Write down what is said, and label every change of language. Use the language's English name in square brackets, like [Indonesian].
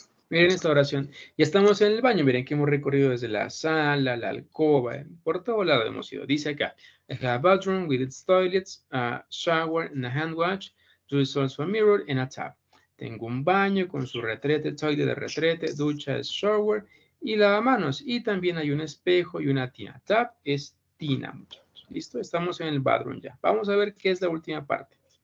[Spanish] Miren esta oración. Ya estamos en el baño. Miren que hemos recorrido desde la sala, la alcoba, por todo lado hemos ido. Dice acá, [English] I have a bathroom with its toilets, a shower and a hand wash. There is also a mirror and a tap. [Spanish] Tengo un baño con su retrete, toilet de retrete, ducha, shower y lavamanos. Y también hay un espejo y una tina. Tap es tina, muchachos. ¿Listo? Estamos en el bathroom ya. Vamos a ver qué es la última parte.